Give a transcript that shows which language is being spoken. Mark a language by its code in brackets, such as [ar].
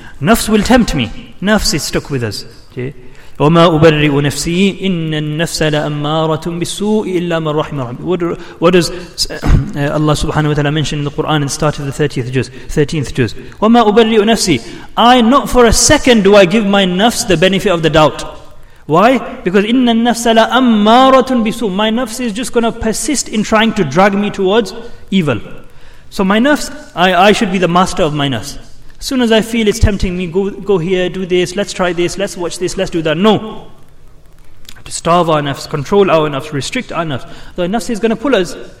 [en] Nafs will tempt me. Nafs is stuck with us. Okay? [ar] وَمَا أُبَرِّئُ نَفْسِي إِنَّ النَّفْسَ لَأَمَّارَةٌ بِالسُّوءِ إِلَّا مَنْ رَحِمَ رَحِمَ. [en] What does Allah subhanahu wa ta'ala mention in the Quran in the start of the 13th juz? [ar] وَمَا أُبَرِّئُ نَفْسِي. [en] I, not for a second do I give my nafs the benefit of the doubt. Why? Because [ar] إِنَّ النَّفْسَ لَأَمَّارَةٌ بِالسُّوءِ. [en] My nafs is just going to persist in trying to drag me towards evil. So my nafs, I should be the master of my nafs. As soon as I feel it's tempting me, go here, do this, let's try this, let's watch this, let's do that. No. To starve our nafs, control our nafs, restrict our nafs. The nafs is going to pull us.